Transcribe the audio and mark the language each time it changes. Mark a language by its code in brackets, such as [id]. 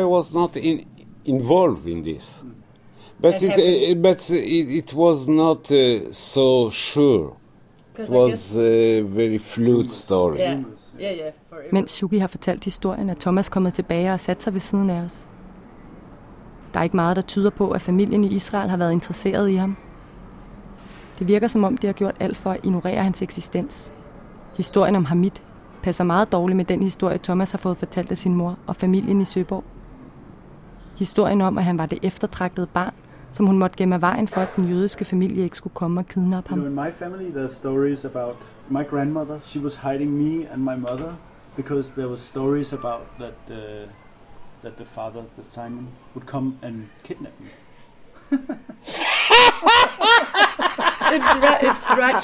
[en] I was not involved in this. But it was not so sure. It was a very fluid story. Yeah. [da] Mens Shuki har fortalt historien, at Thomas kommet tilbage og sat sig ved siden af os. Der er ikke meget, der tyder på, at familien i Israel har været interesseret i ham. Det virker, som om de har gjort alt for at ignorere hans eksistens. Historien om Hamid passer meget dårligt med den historie, Thomas har fået fortalt af sin mor og familien i Søborg. Historien om, at han var det eftertragtede barn, som hun måtte gemme af vejen for, at den jødiske familie ikke skulle komme og kidnappe ham. [en] You know, in my family there are stories about my grandmother. She was hiding me and my mother because there were stories about that that the father, that Simon, would come and kidnap me. It's right.